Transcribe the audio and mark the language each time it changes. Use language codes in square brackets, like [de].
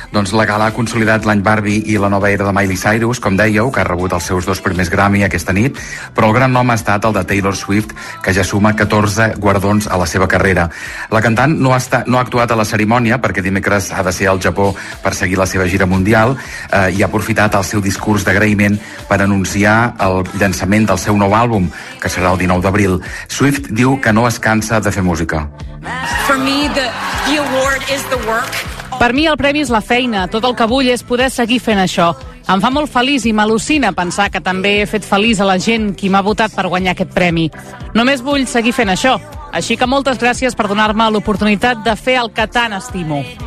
[ca] Doncs la gala ha consolidat l'any Barbie i la nova era de Miley Cyrus, com dèieu, que ha rebut els seus 2 primers Grammy aquesta nit, però el gran nom ha estat el de Taylor Swift, que ja suma 14 guardons a la seva carrera. La cantant no ha actuat a la cerimònia, perquè dimecres ha de ser al Japó per seguir la seva gira mundial, i ha aprofitat el seu discurs d'agraïment per anunciar el llançament del seu nou àlbum, que serà el 19 d'abril. Swift diu que no es cansa de fer música. [en] For me, the award is the work. [ca] Per mi el premi és la feina. Tot el que vull és poder seguir fent això. Em fa molt feliç i m'al·lucina pensar que també he fet feliç a la gent qui m'ha votat per guanyar aquest premi. Només vull seguir fent això. Així que moltes gràcies per donar-me l'oportunitat de fer el que tant estimo.